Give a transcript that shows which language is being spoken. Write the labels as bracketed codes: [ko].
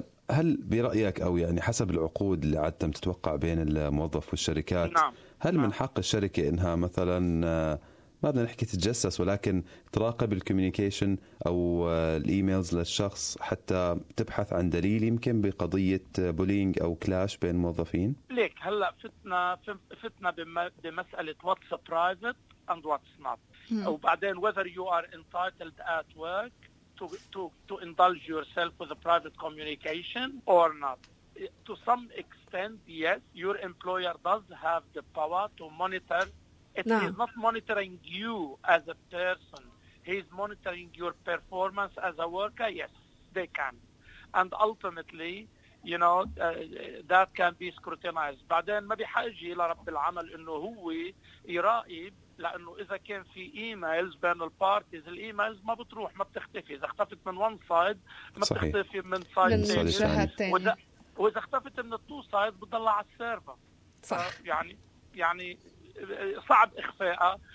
[ar] هل برأيك أو يعني حسب العقود اللي عاد تم تتوقع بين الموظف والشركات، هل من حق الشركة إنها مثلا ما بدنا نحكي تتجسس، ولكن تراقب الكوميونيكيشن أو الإيميلز للشخص حتى تبحث عن دليل يمكن بقضية بولينج أو كلاش بين موظفين؟ ليك هلأ فتنا بمسألة [en] what's private and what's not، [ar] وبعدين [en] whether you are entitled at work to indulge yourself with a private communication or not. To some extent, yes, your employer does have the power to monitor. He's not monitoring you as a person. He's monitoring your performance as a worker. Yes, they can. And ultimately, you know, that can be scrutinized. But then, [ar] ما بحاجة لرب العمل إنه هو يراقب، لأنه إذا كان في إيميلز بين البارتيز، الإيميلز ما بتروح، ما بتختفي. إذا اختفت من [en] one side [ar] ما بتختفي من [en] side [ar] تاني، وإذا اختفت من [en] two side [ar] بتضل على السيرفر. يعني صعب إخفائها.